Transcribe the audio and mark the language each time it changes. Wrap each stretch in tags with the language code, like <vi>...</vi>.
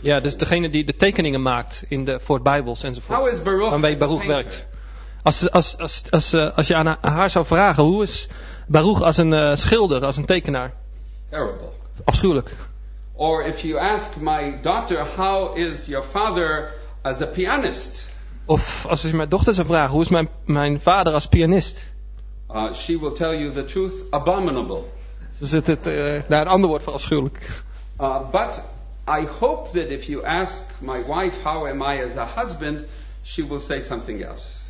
<nl>ja, dus degene die de tekeningen maakt in de voor Bijbels enzovoort, waarmee Baruch werkt. Als je aan haar zou vragen, hoe is Baruch als een schilder, als een tekenaar?</nl> <en>Terrible.</en> <nl>Afschuwelijk.</nl> <en>Or if you ask my daughter, how is your father as a pianist?</en> <nl>Of als je mijn dochter zou vragen, hoe is mijn vader als pianist?</nl> <en>She will tell you the truth, abominable.</en> <nl>Dus het daar een ander woord voor afschuwelijk.</nl> <en>But I hope that if you ask my wife, how am I as a husband, she will say something else.</en>